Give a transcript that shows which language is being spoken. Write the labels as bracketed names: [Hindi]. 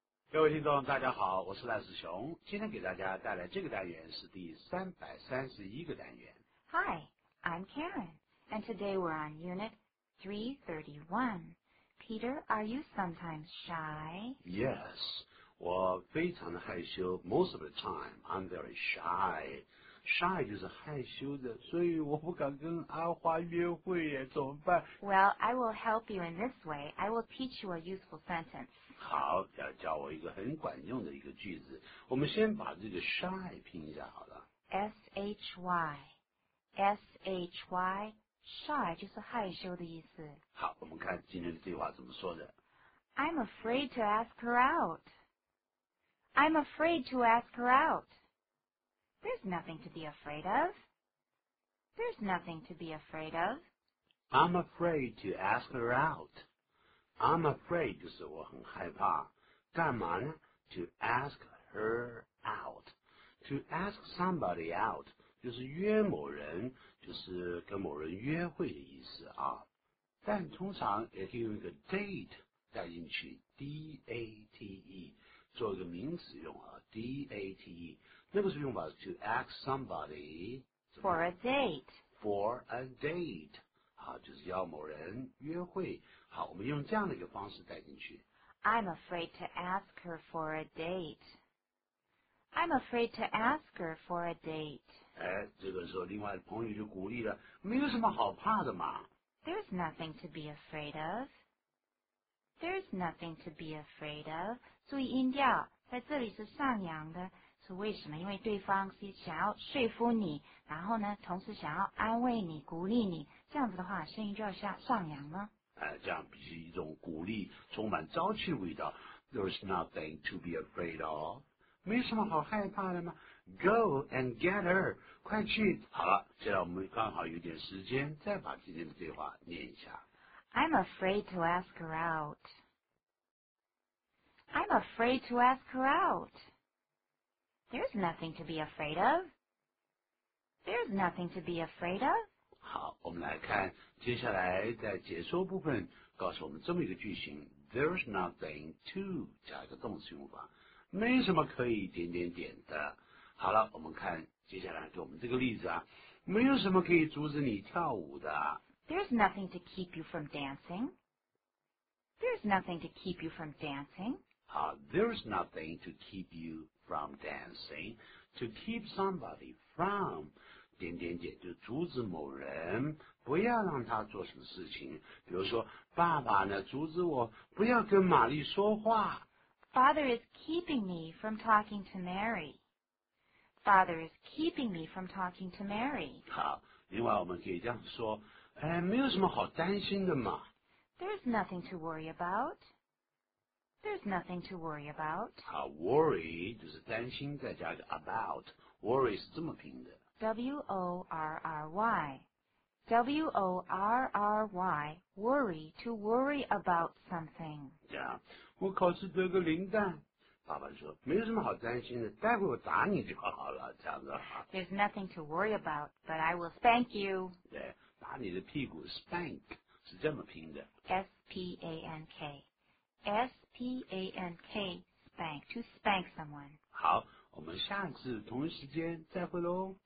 [Chinese] 各位听众大家好，我是赖世雄，今天给大家带来这个单元是第331个单元。 [English] Hi, I'm Karen, and today we're on Unit 331. Peter, are you sometimes shy? Yes, [Chinese] 我非常的害羞 [English] most of the time, I'm very shy. [Chinese] Shy 就是害羞的，所以我不敢跟阿花约会耶，怎么办？ [English] Well, I will help you in this way. I will teach you a useful sentence. [Chinese] 好，要教我一个很管用的一个句子。我们先把这个 shy 拼一下好了。 [English] S-H-Y. S-H-Y. [Chinese] Shy 就是害羞的意思。好，我们看今天的对话怎么说的。 [English] I'm afraid to ask her out. I'm afraid to ask her out. There's nothing to be afraid of. There's nothing to be afraid of. I'm afraid to ask her out. I'm afraid [Chinese] 就是我很害怕。干嘛呢？ [English] To ask her out. To ask somebody out [Chinese] 就是约某人，就是跟某人约会的意思啊。但通常也可以用一个 date 带进去 ,D-A-T-E, 做一个名词用啊 ,D-A-T-E. 那个是用法是 [English] to ask somebody for a date. For a date. [Chinese] 好，就是要某人约会。好，我们用这样的一个方式带进去。 [English] I'm afraid to ask her for a date. I'm afraid to ask her for a date. [Chinese] 哎，这个时候另外朋友就鼓励了，没有什么好怕的嘛。 [English] There's nothing to be afraid of. There's nothing to be afraid of. [Chinese] 注意音调，在这里是上扬的。是为什么？因为对方是想要说服你，然后呢，同时想要安慰你、鼓励你，这样子的话，声音就要上扬呢。这样比起一种鼓励，充满朝气的味道。 [English] There's nothing to be afraid of， [Chinese] 没什么好害怕的吗 ？ [English] Go and get her， [Chinese] 快去。好了，现在我们刚好有点时间，再把今天的对话念一下。 [English] I'm afraid to ask her out. I'm afraid to ask her out. There's nothing to be afraid of. There's nothing to be afraid of. [Chinese] 好，我们来看接下来在解说部分告诉我们这么一个句型 [English] There's nothing to [Chinese] 加一个动词用法，没什么可以点点点的。好了，我们看接下来给我们这个例子啊，没有什么可以阻止你跳舞的。 [English] There's nothing to keep you from dancing. There's nothing to keep you from dancing. 好 ，There's nothing to keep you. From dancing, to keep somebody from, [Chinese] 点点点就阻止某人不要让他做什么事情。比如说，爸爸呢阻止我不要跟玛丽说话。 [English] Father is keeping me from talking to Mary. Father is keeping me from talking to Mary. [Chinese] 好，另外我们可以这样说，没有什么好担心的嘛。 [English] There's nothing to worry about. There's nothing to worry about. [Chinese] 好 ,worry 就是担心再加个 about. Worry 是这么拼的。 [English] W-O-R-R-Y. W-O-R-R-Y. Worry, to worry about something. [Chinese] 对啊，我考试得个零蛋。爸爸说，没有什么好担心的，待会我打你就好了，这样子。 [English] There's nothing to worry about, but I will spank you. [Chinese] 对，打你的屁股 ,spank, 是这么拼的。 [English] S-P-A-N-K. S-P-A-N-K, spank, to spank someone. [Chinese] 好，我们下次同一时间再会咯。